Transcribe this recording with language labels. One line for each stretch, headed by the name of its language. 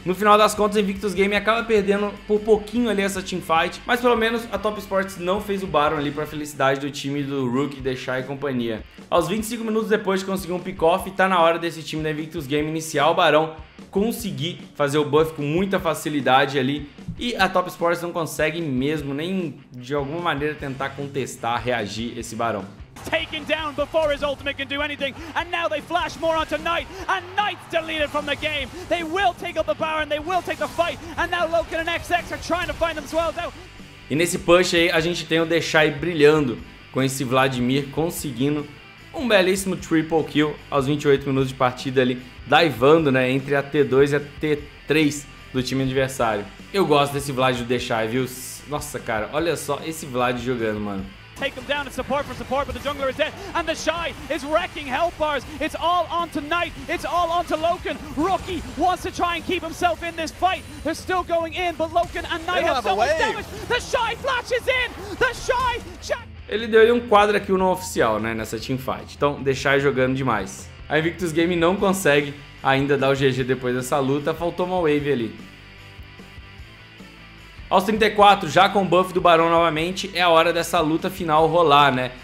Portuguese: No final das contas, Invictus Gaming acaba perdendo por pouquinho ali essa teamfight, mas pelo menos a Top Esports não fez o Baron ali pra felicidade do time do Rookie, Dexai e companhia. Aos 25 minutos depois de conseguir um pick-off, tá na hora desse time da Invictus Gaming iniciar o Barão, conseguir fazer o buff com muita facilidade ali, e a Top Esports não consegue mesmo nem de alguma maneira tentar contestar, reagir esse Barão.
English: Taken down before his ultimate can do anything, and now they flash more onto Knight, and Knight's deleted from the game. They will take up the Baron, they will take the fight, and now Loken and XX are trying to find themselves out.
Portuguese: E nesse push aí a gente tem o Dexai brilhando com esse Vladimir, conseguindo um belíssimo triple kill aos 28 minutos de partida ali, divando, né, entre a T2 e a T3 do time adversário. Eu gosto desse Vlad do Dexai, viu? Nossa, cara, olha só esse Vlad jogando, mano.
English: Take him down, it's support for support, but the jungler is dead, and the Shy is wrecking health bars. It's all on to Knight, it's all on to Loken. Rookie wants to try and keep himself in this fight. They're still going in, but Loken and Knight have so much damage. The Shy flashes in, the Shy check.
Portuguese: Ele deu ali um quadra kill não oficial, né, nessa teamfight. Então, deixar jogando demais. A Invictus Gaming não consegue ainda dar o GG depois dessa luta. Faltou uma wave ali. Aos 34, já com o buff do Barão novamente, é a hora dessa luta final rolar, né?